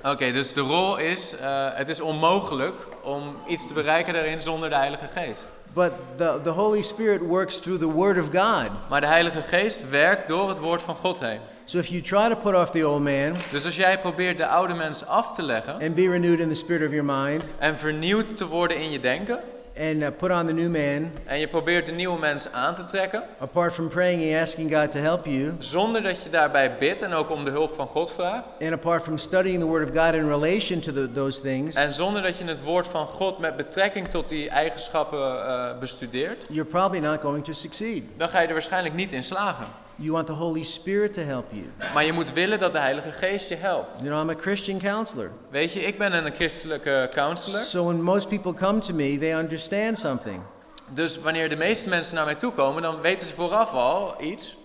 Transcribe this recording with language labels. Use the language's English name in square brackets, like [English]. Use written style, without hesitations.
[Dutch] Okay, dus de rol is, het is onmogelijk om iets te bereiken daarin zonder de Heilige Geest. [English] But the Holy Spirit works through the Word of God. [Dutch] Maar de Heilige Geest werkt door het Woord van God heen. [English] So if you try to put off the old man, [Dutch] dus als jij probeert de oude mens af te leggen, [English] and be renewed in the spirit of your mind, [Dutch] en vernieuwd te worden in je denken, [English] and put on the new man, [Dutch] en je probeert de nieuwe mens aan te trekken, [English] apart from praying and asking God to help you, [Dutch] zonder dat je daarbij bidt en ook om de hulp van God vraagt, [English] and apart from studying the Word of God in relation to those things, [Dutch] en zonder dat je het Woord van God met betrekking tot die eigenschappen bestudeert, [English] you're probably not going to succeed. [Dutch] Dan ga je er waarschijnlijk niet in slagen. [English] You want the Holy Spirit to help you. [Dutch] Maar je moet willen dat de Heilige Geest je helpt. [English] You know, I'm a Christian counselor. [Dutch] Weet je, ik ben een christelijke counselor. [English] So when most people come to me, they understand something. [Dutch] Dus wanneer de meeste mensen naar mij toe komen, dan weten ze vooraf al iets.